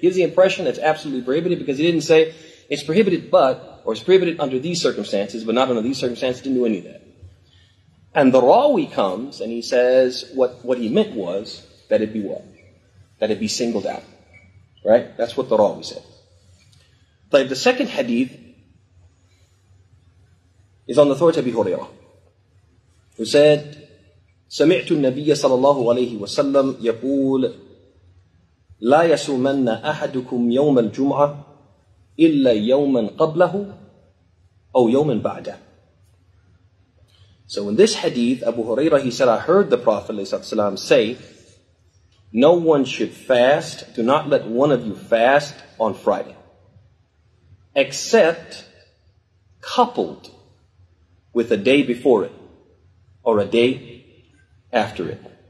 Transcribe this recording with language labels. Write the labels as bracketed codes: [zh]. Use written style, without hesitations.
[en] Gives the impression that it's absolutely prohibited because he didn't say it's prohibited but, or it's prohibited under these circumstances, but not under these circumstances, didn't do any of that. And the Rawi comes and he says what he meant was that it be what? That it be singled out. Right? That's what the Rawi said. But the second hadith is on the authority of Abi Hurairah, who said, [ar] سمعت النبي صلى الله عليه وسلم يقول لا يصومن أحدكم يوم الجمعة إلا يوما قبله أو يوما بعده. [en] So in this hadith, Abu Huraira, he said, I heard the Prophet ﷺ say, no one should fast, do not let one of you fast on Friday, except coupled with a day before it, or a day after it.